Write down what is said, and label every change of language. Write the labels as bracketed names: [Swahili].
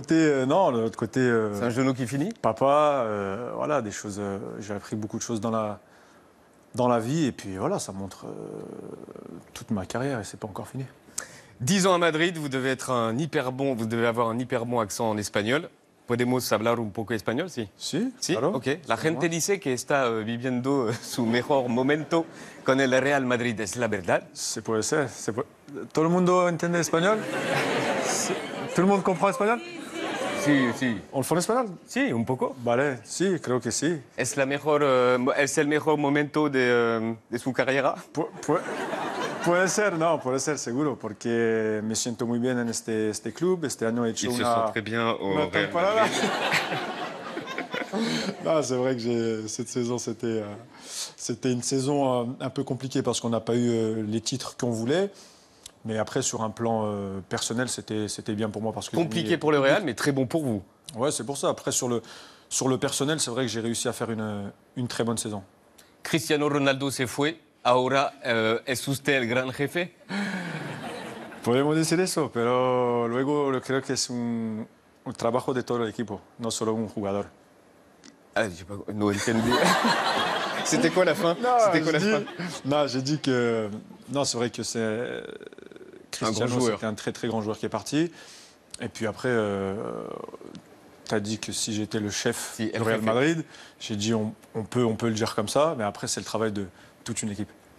[French] De l'autre côté... C'est un genou qui finit? Papa, voilà, des choses... j'ai appris beaucoup de choses dans la vie, et puis voilà, ça montre toute ma carrière, et c'est pas encore fini. 10 ans à Madrid, vous devez avoir un hyper bon accent en espagnol. [Spanish] Podemos hablar un poco español, sí? Sí, sí? Claro. Ok. La gente dice que está viviendo su mejor momento con el Real Madrid, ¿es la verdad? Sí, puede ser. ¿Todo el mundo entiende español? ¿Todo el mundo comprend español? Sí. [French] ¿On le fait en espagnol? [Spanish] Sí, un poco. Vale, sí, creo que sí. ¿Es la mejor, es el mejor momento de su carrera? Puede ser, seguro, porque me siento muy bien en este club. Este año he hecho una temporada. [French] Non, c'est vrai que cette saison, c'était une saison un peu compliquée parce qu'on n'a pas eu les titres qu'on voulait. Mais après, sur un plan personnel, c'était bien pour moi. Parce que compliqué pour le Real, mais très bon pour vous. Ouais, c'est pour ça. Après, sur le personnel, c'est vrai que j'ai réussi à faire une très bonne saison. [Spanish] Cristiano Ronaldo se fue. Ahora es usted el gran jefe. Podemos decir eso, pero luego creo que es un trabajo de todo el equipo, no solo un jugador. [French] Ah, je sais pas, [Spanish] no entendí. [French] C'était quoi la fin? Non, c'est vrai que c'est Cristiano, c'était un très très grand joueur qui est parti. Et puis après, t'as dit que si j'étais le chef du Real Madrid, j'ai dit on peut le dire comme ça, mais après c'est le travail de toute une équipe.